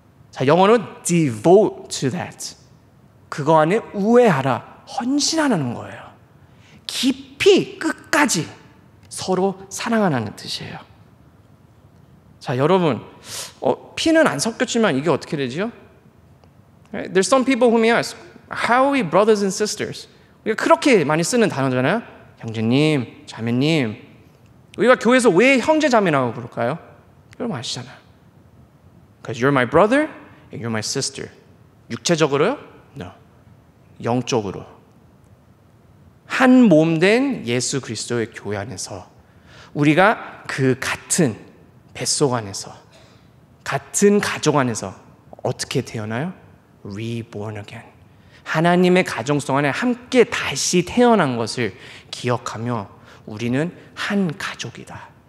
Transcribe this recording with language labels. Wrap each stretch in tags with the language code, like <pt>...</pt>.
<ko>자, 영어는</ko> <en>devote to that.</en> <ko>그거 안에 우애하라, 헌신하라는 거예요. 깊이 끝까지 서로 사랑하라는 뜻이에요. 자, 여러분, 피는 안 섞였지만 이게 어떻게 되지요?</ko> <en>Right? There's some people who may ask, how are we brothers and sisters?</en> <ko>우리가 그렇게 많이 쓰는 단어잖아요. 형제님, 자매님. 우리가 교회에서 왜 형제, 자매라고 부를까요? 여러분 아시잖아요.</ko> <en>Because you're my brother and you're my sister.</en> <ko>육체적으로요? No. 영적으로. 한 몸 된 예수 그리스도의 교회 안에서 우리가 그 같은 뱃속 안에서 같은 가족 안에서 어떻게 태어나요?</ko> <en>Reborn again.</en> <ko>하나님의 가정 속 안에 함께 다시 태어난 것을 기억하며 우리는 한 가족이다.</ko>